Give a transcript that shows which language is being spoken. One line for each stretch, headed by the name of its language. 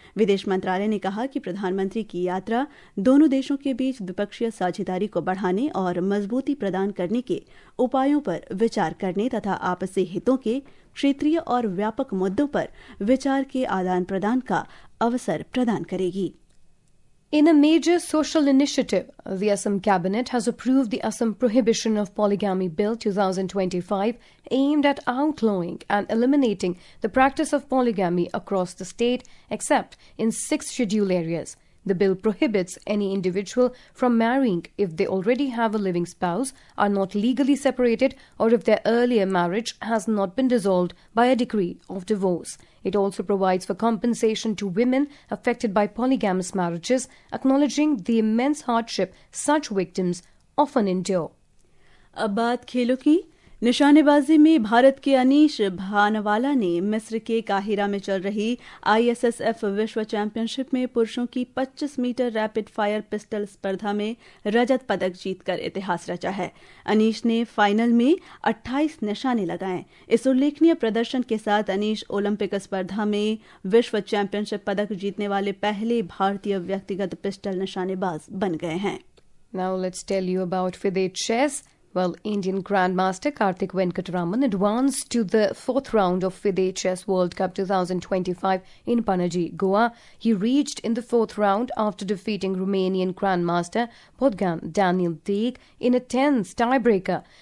Hindi: विदेश मंत्रालय ने कहा कि प्रधानमंत्री की यात्रा दोनों देशों के बीच द्विपक्षीय साझेदारी को बढ़ाने और मजबूती प्रदान करने के उपायों पर विचार करने तथा आपसी हितों के क्षेत्रीय और व्यापक मुद्दों पर विचार के आदान प्रदान का अवसर प्रदान करेगी।
English: In a major social initiative, the Assam Cabinet has approved the Assam Prohibition of Polygamy Bill 2025, aimed at outlawing and eliminating the practice of polygamy across the state, except in 6 scheduled areas. The bill prohibits any individual from marrying if they already have a living spouse, are not legally separated, or if their earlier marriage has not been dissolved by a decree of divorce. It also provides for compensation to women affected by polygamous marriages, acknowledging the immense hardship such victims often endure.
Hindi: अब बात खेलों की। निशानेबाजी में भारत के अनीश भानवाला ने मिस्र के काहिरा में चल रही ISSF विश्व चैंपियनशिप में पुरुषों की 25 मीटर रैपिड फायर पिस्टल स्पर्धा में रजत पदक जीतकर इतिहास रचा है। अनीश ने फाइनल में 28 निशाने लगाए। इस उल्लेखनीय प्रदर्शन के साथ अनीश ओलंपिक स्पर्धा में विश्व चैंपियनशिप पदक जीतने वाले पहले भारतीय व्यक्तिगत पिस्टल निशानेबाज बन गए हैं।
English: Now let's tell you about FIDE Chess. Well, Indian Grandmaster Karthik Venkataraman advanced to the fourth round of FIDE Chess World Cup 2025 in Panaji, Goa. He reached in the fourth round after defeating Romanian Grandmaster Bogdan Daniel Deg in a tense tiebreaker.